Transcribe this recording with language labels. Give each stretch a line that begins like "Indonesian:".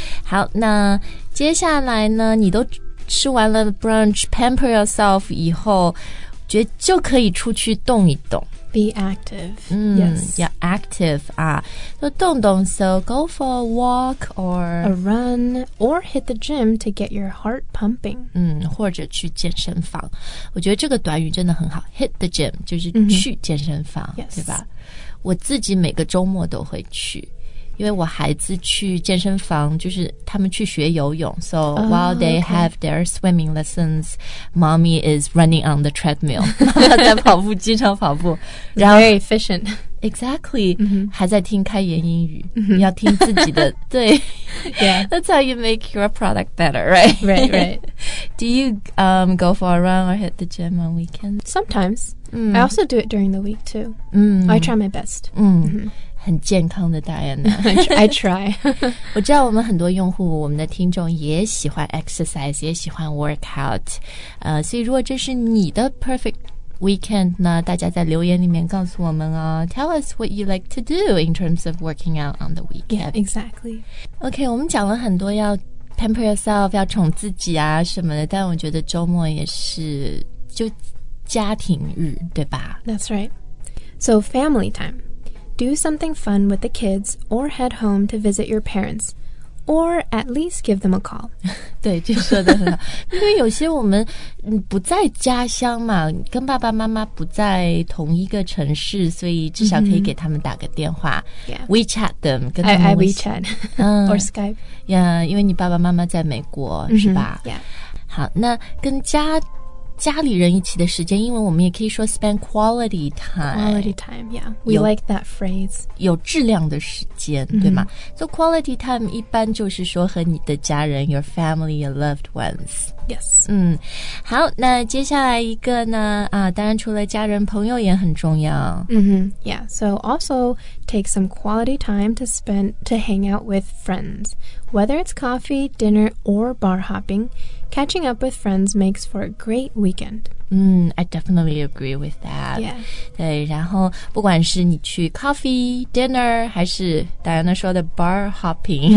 Chinese: 好，那接下来呢？你都吃完了
English: brunch, pamper yourself
Chinese: 以后，觉得就可以出去动一动。
English: Be active. Yes. Yeah, active.
Chinese: 啊，就动动。
English: So go for a walk or a run or hit the gym to get your heart pumping.
Chinese: 或者去健身房。我觉得这个短语真的很好。
English: Hit the gym
Chinese: 就是去健身房、 mm-hmm. 对吧？我自己每个周末都会去，因为我孩子去健身房，就是他们去学游泳。
English: So while they、okay. have their swimming lessons, mommy is running on the treadmill.
Chinese: 妈妈在跑步机上跑步。然后
English: very efficient. Exactly.、
Chinese: Mm-hmm. 还在听开言英语、mm-hmm. 要听自己的。对。
English: Yeah. That's how you make your product better, right? Right, right. Do you、go for a run or hit the gym on weekends? Sometimes.、Mm. I also do it during the week, too.、 Mm. I try my best.
Chinese: Mm-hmm. Mm-hmm. 很健康的 Diana
English: I try
Chinese: 我知道我们很多用户我们的听众也喜欢 exercise 也喜欢 workout、所以如果这是你的 perfect weekend 呢，大家在留言里面告诉我们、哦、
English: Tell us what you like to do in terms of working out on the weekend yeah, Exactly
Chinese: OK 我们讲了很多要
English: pamper yourself
Chinese: 要宠自己啊什么的但我觉得周末也是就家庭日对吧
English: That's right So family timeDo something fun with the kids or head home to visit your parents or at least give them a call.
Chinese: 对就说得很好因为有些我们不在家乡嘛跟爸爸妈妈不在同一个城市所以至少可以给他们打个电话、 mm-hmm.
English: WeChat them. I WeChat or Skype.
Chinese: Yeah, 因为你爸爸妈妈在美国、 mm-hmm. 是吧、
English: yeah.
Chinese: 好那跟家里人一起的时间因为我们也可以说
English: spend quality time quality time yeah we like that phrase
Chinese: 有质量的时间、mm-hmm. 对吗 so quality time 一般就是说和你的家人
English: your family your loved ones yes
Chinese: 好那接下来一个呢啊，当然除了家人朋友也很重要、 mm-hmm.
English: yeah so also take some quality time to hang out with friends whether it's coffee dinner or bar hoppingCatching up with friends makes for a great weekend. I definitely agree with that. Yeah.
Chinese: 对，然后不管是你去
English: coffee, dinner,
Chinese: 还是 Diana 说的 bar hopping,、